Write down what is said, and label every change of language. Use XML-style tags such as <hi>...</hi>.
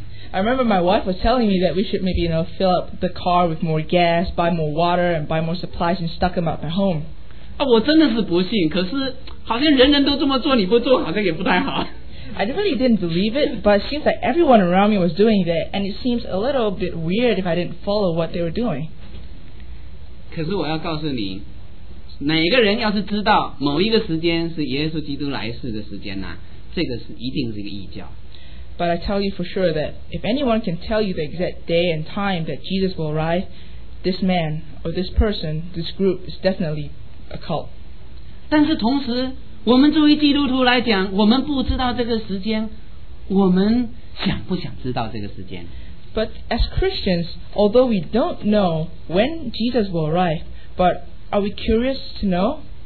<en>I remember my wife was telling me that we should maybe, you know, fill up the car with more gas, buy more water, and buy more supplies and stock them up at home.</en> <zh>啊，我真的是不信，可是好像人人都这么做，你不做好像也不太好。</zh> <en>I really didn't believe it, but it seems like everyone around me was doing that, and it seems a little bit weird if I didn't follow what they were doing.</en> <zh>可是我要告诉你。</zh> <en>But I tell you for sure that if anyone can tell you the exact day and time that Jesus will arrive, this man or this person, this group is definitely a cult.</en> <zh>但是同时，我们作为基督徒来讲，我们不知道这个时间，我们想不想知道这个时间？</zh> <en>But as Christians, although we don't know when Jesus will arrive, but are we curious to know?</en>